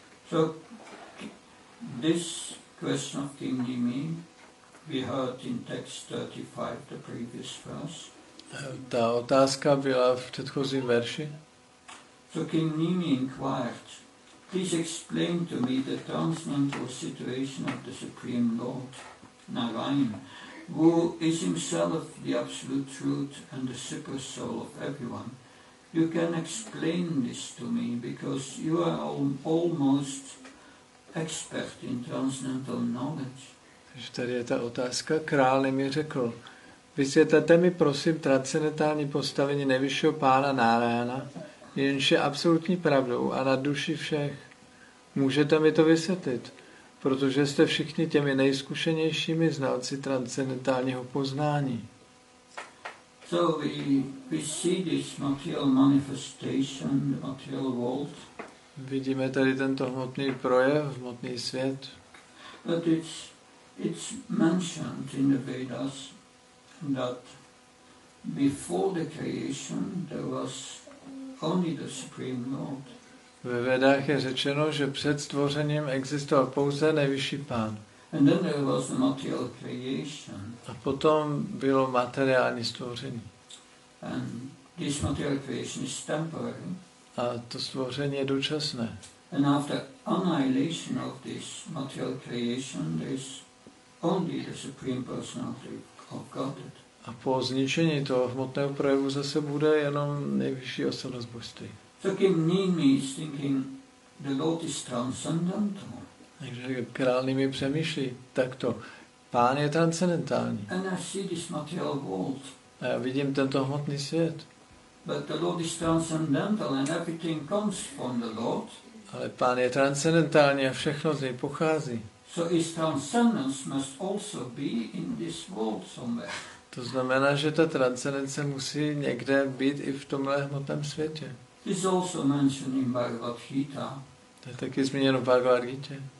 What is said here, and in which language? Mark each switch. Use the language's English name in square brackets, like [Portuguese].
[English] So this question of King Nimi, we heard in text 35, the previous verse. [Czech] Ta otázka byla v předchozím verši. [English] So King Nimi inquired, please explain to me the transcendental situation of the Supreme Lord, Narayana, who is himself the absolute truth and the super soul of everyone. You can explain this to me because you are almost expert in transcendental knowledge. [Czech] Tady je ta otázka. Král mi řekl, vysvětlete mi prosím transcendentální postavení nejvyššího pána Narayana, jenž je absolutní pravdou a na duši všech. Můžete mi to vysvětlit, protože jste všichni těmi nejzkušenějšími znalci transcendentálního poznání. [English] So we see this material manifestation, the material world. [Czech] Vidíme tady tento hmotný projev, hmotný svět. [English] But it's mentioned in the Vedas that before the creation there was only the Supreme Lord. [Czech] Ve Vedách je řečeno, že před stvořením existoval pouze nejvyšší pán. [English] And then there was the material creation. [Czech] A potom bylo materiální stvoření. [English] And this material creation is temporary. [Czech] A to stvoření je dočasné. [English] And after annihilation of this material creation, there is only the Supreme Personality of Godhead. [Czech] A po zničení toho hmotného projevu zase bude jenom nejvyšší osobnost božství. [English] So King Nimi is thinking the Lord is transcendental. [Czech] Takže král Nimi přemýšlí takto. Pán je transcendentální. [English] And I see this material world. [Czech] A já vidím tento hmotný svět. [English] But the Lord is transcendental and everything comes from the Lord. [Czech] Ale pán je transcendentální a všechno z něj pochází. [English] So his transcendence must also be in this world somewhere. [Czech] To znamená, že ta transcendence musí někde být i v tomhle hmotném světě. [English] This is also mentioned in Bhagavad Gita. [Czech] To je taky zmíněno v Bhagavad Gita.